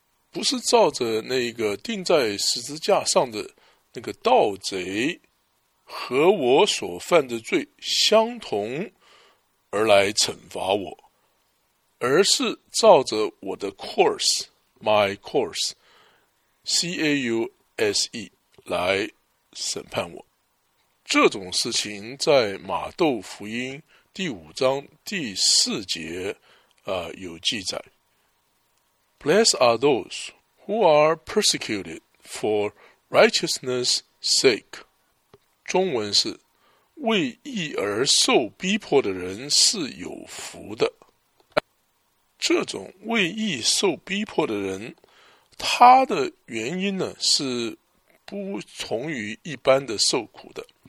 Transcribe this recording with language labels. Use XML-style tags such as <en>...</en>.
<zh>不是照着那个钉在十字架上的那个盗贼和我所犯的罪相同而来惩罚我，而是照着我的</zh> <en>course, my course, C-A-U-S-E</en> <zh>来审判我。这种事情在马窦福音第五章第四节、有记载。</zh> <en>Blessed are those who are persecuted for righteousness' sake.</en> <zh>中文是为义而受逼迫的人是有福的。这种为义受逼迫的人，他的原因呢是不同于一般的受苦的。</zh>